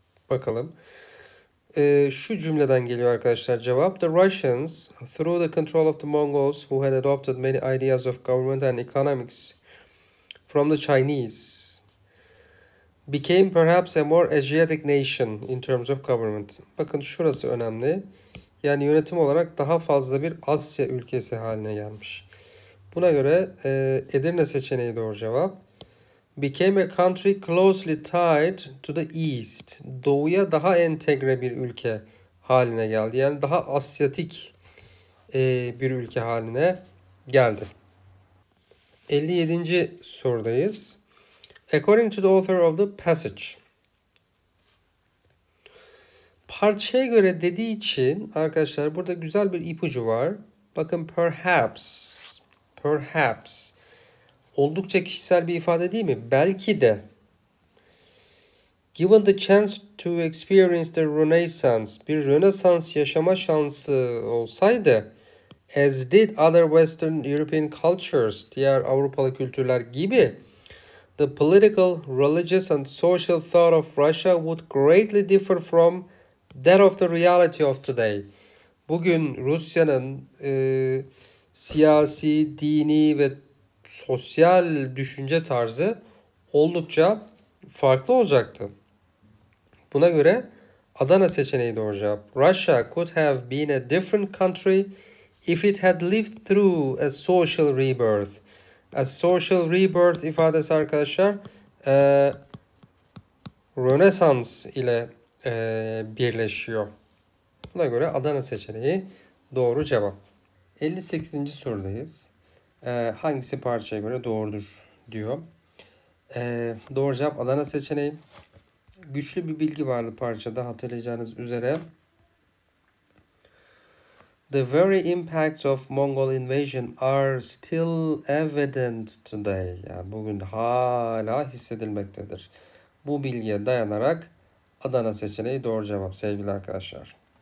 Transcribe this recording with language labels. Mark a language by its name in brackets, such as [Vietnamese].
[Turkish] Bakalım. Şu cümleden geliyor arkadaşlar cevap. [English] The Russians, through the control of the Mongols, who had adopted many ideas of government and economics from the Chinese, became perhaps a more Asiatic nation in terms of government. [Turkish] Bakın şurası önemli. Yani yönetim olarak daha fazla bir Asya ülkesi haline gelmiş. Buna göre Edirne seçeneği doğru cevap. [English] Became a country closely tied to the east. [Turkish] Doğuya daha entegre bir ülke haline geldi. Yani daha Asyatik bir ülke haline geldi. 57. sorudayız. [English] According to the author of the passage. [Turkish] Parçaya göre dediği için arkadaşlar burada güzel bir ipucu var. Bakın [English] perhaps, perhaps. [Turkish] Oldukça kişisel bir ifade değil mi? Belki de. [English] Given the chance to experience the Renaissance, [Turkish] bir Rönesans yaşama şansı olsaydı, [English] as did other Western European cultures, [Turkish] diğer Avrupalı kültürler gibi, [English] the political, religious and social thought of Russia would greatly differ from that of the reality of today. [Turkish] Bugün Rusya'nın siyasi, dini ve sosyal düşünce tarzı oldukça farklı olacaktı. Buna göre Adana seçeneği doğru cevap. [English] Russia could have been a different country if it had lived through a social rebirth. A social rebirth [Turkish] ifadesi arkadaşlar Rönesans ile birleşiyor. Buna göre Adana seçeneği doğru cevap. 58. sorudayız. Hangisi parçaya göre doğrudur diyor. Doğru cevap Adana seçeneği. Güçlü bir bilgi vardı parçada hatırlayacağınız üzere. [English] The very impacts of Mongol invasion are still evident today. [Turkish] Yani bugün hala hissedilmektedir. Bu bilgiye dayanarak Adana seçeneği doğru cevap sevgili arkadaşlar.